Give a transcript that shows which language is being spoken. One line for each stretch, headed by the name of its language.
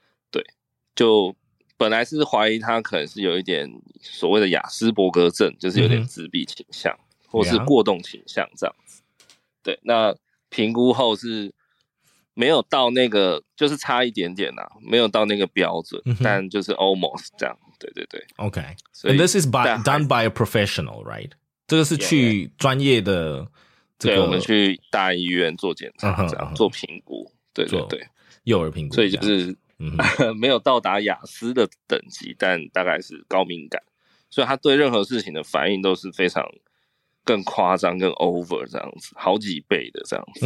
Chinese: 对，就本来是怀疑他可能是有一点所谓的亚斯伯格症，就是有点自闭倾向、嗯、或是过动倾向这样子。对，那评估后是没有到那个，就是差一点点啦、啊、没有到那个标准、嗯、但就是 almost 这样。对对对，OK。
English: And this is by done by a professional, right？
Chinese: 这个是去专业的、这个，对，我们去大医院做检查，这样做评估，对对对，幼儿评估，所以就是、嗯、没有到达雅思的等级，但大概是高敏感，所以他对任何事情的反应都是非常更夸张、更 over 这样子，好几倍的这样子。